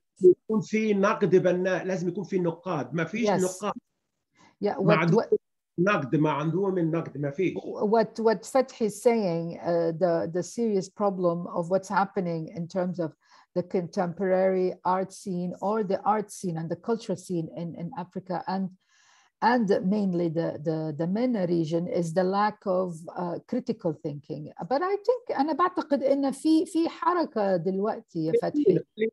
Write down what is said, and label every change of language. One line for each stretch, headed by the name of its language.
Arabic: يكون في نقد بناء, لازم يكون في نقاد, ما فيش yes. نقاد.
English: Yeah,
Arabic: نقد ما عندهم النقد, ما فيش.
English: What Fathi is saying, the serious problem of what's happening in terms of the contemporary art scene or the art scene and the cultural scene in Africa and mainly the MENA region is the lack of critical thinking. But I think
Arabic: انا بعتقد ان في حركه دلوقتي يا فتحي